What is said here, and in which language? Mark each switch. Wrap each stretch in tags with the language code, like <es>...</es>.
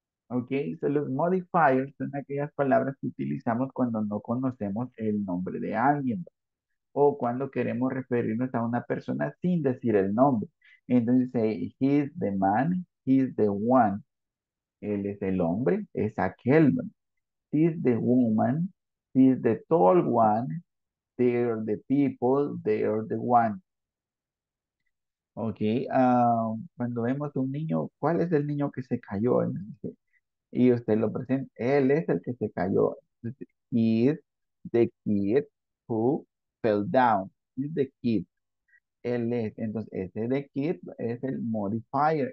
<es>Ok, so los modifiers son aquellas palabras que utilizamos cuando no conocemos el nombre de alguien, ¿no? O cuando queremos referirnos a una persona sin decir el nombre. Entonces dice,</es> <en>he's the man, he's the one.</en> <es>Él es el hombre, es aquel, ¿no?</es> <en>He's the woman, he's the tall one. They are the people, they are the one.</en> <es>Ok, cuando vemos un niño, ¿cuál es el niño que se cayó? Y usted lo presenta, él es el que se cayó.</es> <en>He's the kid who fell down. He's the kid.</en> <es>Él es, entonces ese de kid es el modifier.</es>